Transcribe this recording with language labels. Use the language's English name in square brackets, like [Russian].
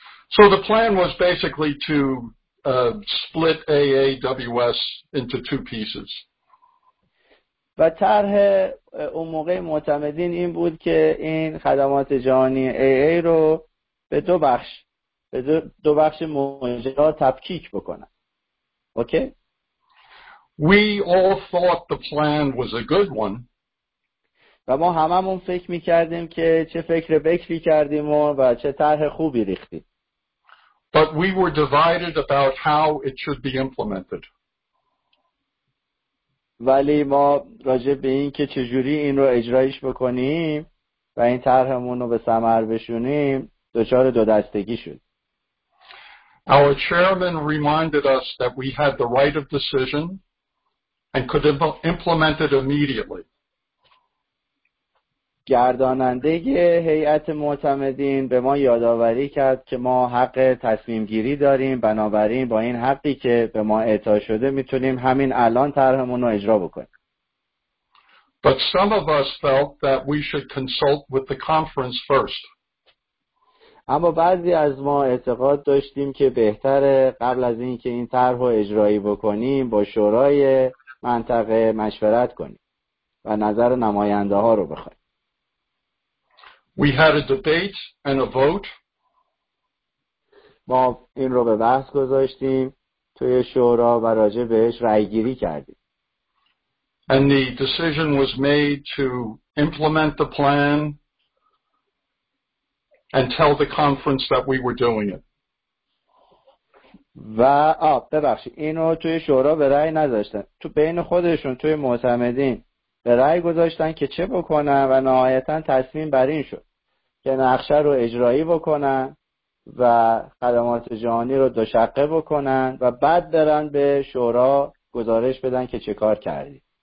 [English] So the plan was basically to split AAWS into two pieces. [Persian] و طرح اون موقع معتمدین این بود که این خدمات جهانی AA رو به دو بخش، به دو بخش مجزا تفکیک بکنن. [English] Okay? We all thought the plan was a good one. [Persian] و ما هممون فکر می‌کردیم که چه فکر بکری کردیم و چه طرح خوبی ریختیم. [English] But we were divided about how it should be implemented. [Persian] ولی ما راجع به این که چجوری این رو اجرایش بکنیم و این طرحمون رو به ثمر بشونیم دچار دو دستگی شد. [English] Our chairman reminded us that we had the right of decision and could implement it immediately. [Persian] گرداننده هیئت معتمدین به ما یادآوری کرد که ما حق تصمیم گیری داریم، بنابراین با این حقی که به ما اعطا شده میتونیم همین الان طرحمون رو اجرا بکنیم. [English] But some of us felt that we should consult with the conference first. [Persian] اما بعضی از ما اعتقاد داشتیم که بهتره قبل از اینکه این طرح رو اجرایی بکنیم با شورای منطقه مشورت کنیم و نظر نماینده ها رو بخوایم. [English] We had a debate and a vote. [Persian] ما این رو به بحث گذاشتیم توی شورا و راجع بهش رأی‌گیری کردیم. [English] And the decision was made to implement the plan and tell the conference that we were doing it. [Persian] و ببخشید اینو توی شورا به رأی نذاشتن. تو بین خودشون توی معتمدین به رأی گذاشتن که چه بکنن و نهایتاً تصمیم بر این شد که نقشه رو اجرایی بکنن و خدمات جهانی رو دوشقه بکنن و بعد برن به شورا گزارش بدن که چه کار کردی.